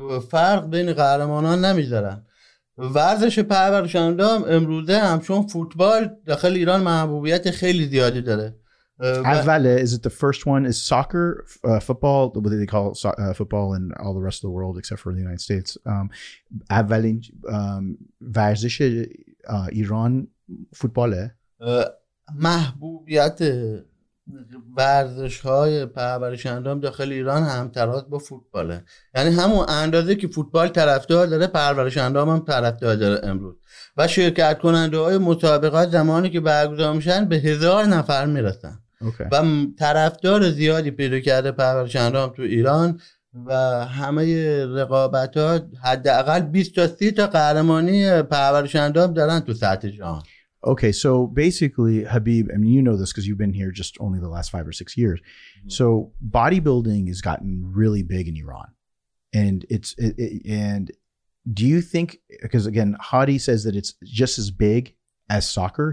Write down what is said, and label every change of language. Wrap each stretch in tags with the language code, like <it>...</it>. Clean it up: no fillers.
<fa>فرق بین قهرمانان نمیذارن. ورزش پرورشندام امروزه هم چون فوتبال داخل ایران محبوبیت خیلی زیادی داره. اوله</fa> <en>is it the first one is soccer, football, what they call football in all the rest of the world except for the United States.</en> <fa>اولین ورزش ایران فوتباله. محبوبیت ورزش های پرورش اندام داخل ایران همتراز با فوتباله، یعنی همون اندازه که فوتبال طرفدار داره پرورش اندام هم طرفدار داره امروز، و شرکت کننده های مسابقات زمانی که برگزار میشن به هزار نفر میرسن.</fa> <en>Okay.</en> <fa>و طرفدار زیادی پیدا کرده پرورش اندام تو ایران و همه رقابت ها حداقل 20 تا 30 تا قهرمانی پرورش اندام دارن تو سطح جهان.</fa> <en>Okay, so basically, Habib, I mean, you know this because you've been here just only the last 5 or 6 years. Mm-hmm. So bodybuilding has gotten really big in Iran. And and do you think, because again, Hadi says that it's just as big as soccer.</en>